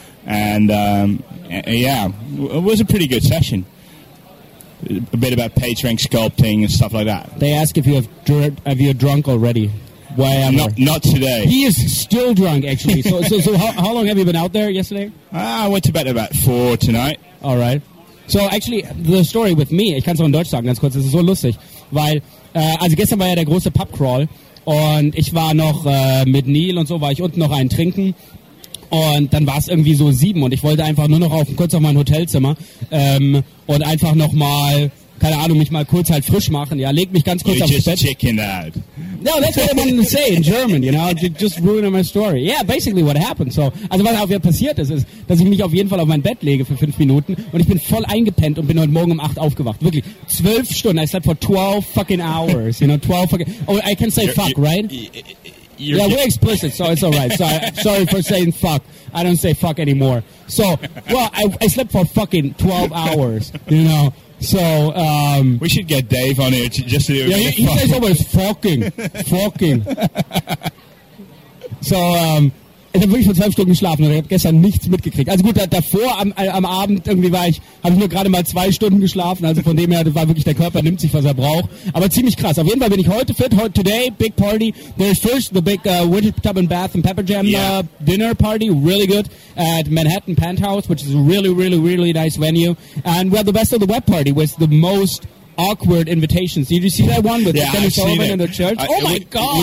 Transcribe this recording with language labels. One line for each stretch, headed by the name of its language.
English: And, it was a pretty good session. A bit about PageRank sculpting and stuff like that. They ask if you have you drunk already. Why am I? Not today. He is still drunk, actually. So how long have you been out there yesterday? I went to bed about 4 tonight. All right. So, actually, the story with me,
German: ich kann es auch in Deutsch sagen, ganz kurz, das ist so lustig, weil... Also gestern war ja der große Pub-Crawl und ich war noch mit Neil und so, war ich unten noch einen trinken und dann war es irgendwie so 7 und ich wollte einfach nur noch kurz auf mein Hotelzimmer und einfach noch mal, keine Ahnung, mich mal kurz halt frisch machen, ja, leg mich ganz kurz aufs Bett.
English: You're just chicken out. No, that's what I wanted to say in German, you know, just ruining my story. Yeah, basically what happened.
German: So, also was auch wieder passiert ist, ist, dass ich mich auf jeden Fall auf mein Bett lege für 5 Minuten und ich bin voll eingepennt und bin heute Morgen 8 aufgewacht. Wirklich, 12 Stunden,
English: I slept for 12 fucking hours, you know, 12 fucking... Oh, I can say fuck, right? Yeah, we're explicit, so it's all right. Sorry for saying fuck. I don't say fuck anymore. So, well, I slept for fucking 12 hours, you know. So, we should get Dave on here just to do a fuck. Yeah, he says always fucking, fucking.
German: So, ich habe wirklich vor 12 Stunden geschlafen und ich habe gestern nichts mitgekriegt. Also gut, davor am Abend irgendwie habe ich nur gerade mal 2 Stunden geschlafen. Also von dem her war wirklich der Körper nimmt sich, was er braucht. Aber ziemlich krass. Auf jeden Fall bin ich heute fit.
English: Today, big party. There's first the big Winter Tub and Bath and Pepper Jam dinner party. Really good. At Manhattan Penthouse, which is a really, really, really nice venue. And we had the best of the web party with the most awkward invitations. Did you see that one with Kevin Sullivan in the church? Oh my god!